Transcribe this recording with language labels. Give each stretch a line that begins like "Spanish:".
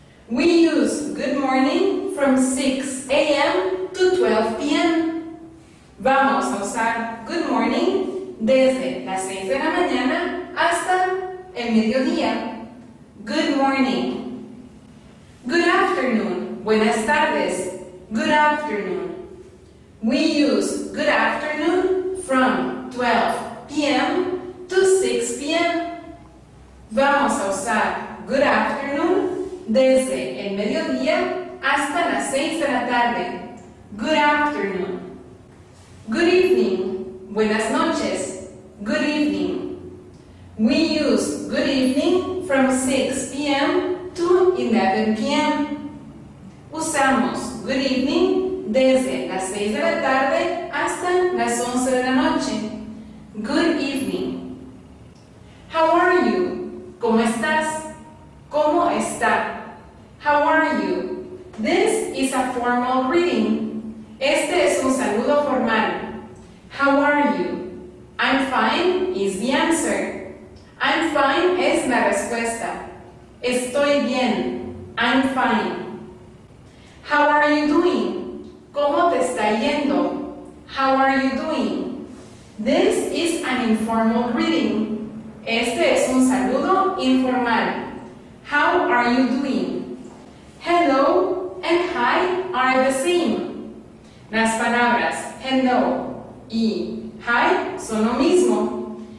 English: We use good morning from 6 a.m. to 12 p.m.
Spanish: Vamos a usar good morning desde las 6 de la mañana hasta el mediodía.
English: Good morning. Good afternoon,
Spanish: buenas tardes,
English: good afternoon. We use good afternoon from 12 p.m. to 6 p.m.
Spanish: Vamos a usar good afternoon desde el mediodía hasta las 6 de la tarde.
English: Good afternoon. Good evening.
Spanish: Buenas noches.
English: Good evening. We use good evening from 6 p.m. to 11 p.m.
Spanish: Usamos good evening desde las 6 de la tarde hasta las 11 de la noche.
English: Good evening. How are you?
Spanish: ¿Cómo estás? ¿Cómo está?
English: How are you? This is a formal greeting.
Spanish: Este es un saludo formal.
English: How are you? I'm fine is the answer. I'm fine
Spanish: es la respuesta. Estoy bien.
English: I'm fine. How are you doing?
Spanish: ¿Cómo te está yendo?
English: How are you doing? This is an informal greeting.
Spanish: Este es un saludo informal.
English: How are you doing? Hello and hi are the same.
Spanish: Las palabras hello y hi son lo mismo.